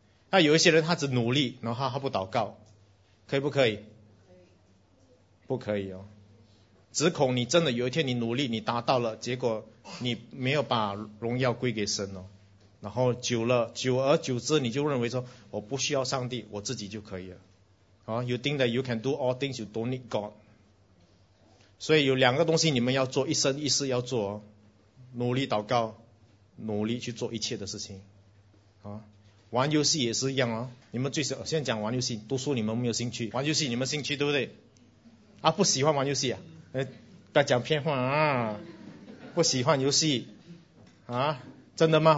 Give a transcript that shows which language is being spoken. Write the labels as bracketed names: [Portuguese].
[Chinese] 那有一些人他只努力，然后他不祷告，可以不可以？不可以哦。只恐你真的有一天你努力你达到了，结果你没有把荣耀归给神哦，然后久而久之你就认为说我不需要上帝，我自己就可以了。 [English] You think that you can do all things, you don't need God。 [Chinese] 所以有两个东西你们要做，一生一世要做哦，努力祷告，努力去做一切的事情。玩游戏也是一样哦，你们最少现在讲玩游戏，读书你们没有兴趣，玩游戏你们兴趣对不对？啊，不喜欢玩游戏啊？不要讲偏话啊，不喜欢游戏啊？真的吗？